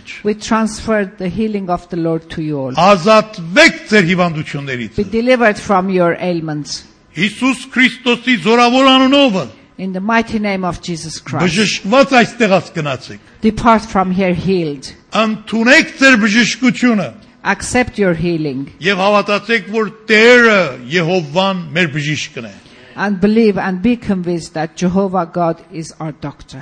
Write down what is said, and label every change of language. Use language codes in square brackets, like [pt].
[en] We transfer the healing of the Lord to you all. Be delivered from your ailments. [hy] Հիսուս Քրիստոսի զորավոր անունով. [en] In the mighty name of Jesus Christ. [hy] Բժշկված այստեղած գնացեք. [en] Depart from here healed. [hy] Ընդունեք ձեր բժշկությունը. [en] Accept your healing. [hy] Եվ հավատացեք, որ Տերը Եհովան մեր բժիշկն է. [en] And believe and be convinced that Jehovah God is our doctor.